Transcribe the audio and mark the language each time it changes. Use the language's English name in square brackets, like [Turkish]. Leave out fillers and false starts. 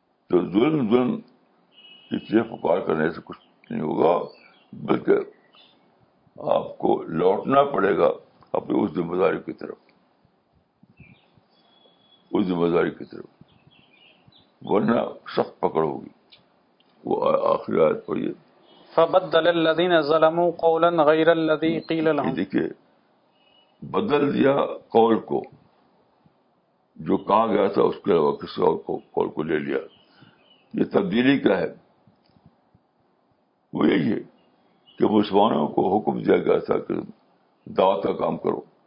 [Urdu] تو ظلم ظلم کی چیخ پکار کرنے سے کچھ نہیں ہوگا, بلکہ آپ کو لوٹنا پڑے گا اپنی اس ذمہ داری کی طرف, اس ذمہ داری کی طرف, ورنہ سخت پکڑ ہوگی. وہ آخری آیت پڑھیے, [Arabic] فبدل الذين ظلموا قولا غير الذي قيل لهم, [Urdu] دیکھیے بدل دیا قول کو جو کہا گیا تھا اس کے علاوہ کسی اور قول کو لے لیا. یہ تبدیلی کا ہے, وہ یہی ہے کہ مسلمانوں کو حکم دیا گیا تھا کہ دعوت کا کام کرو,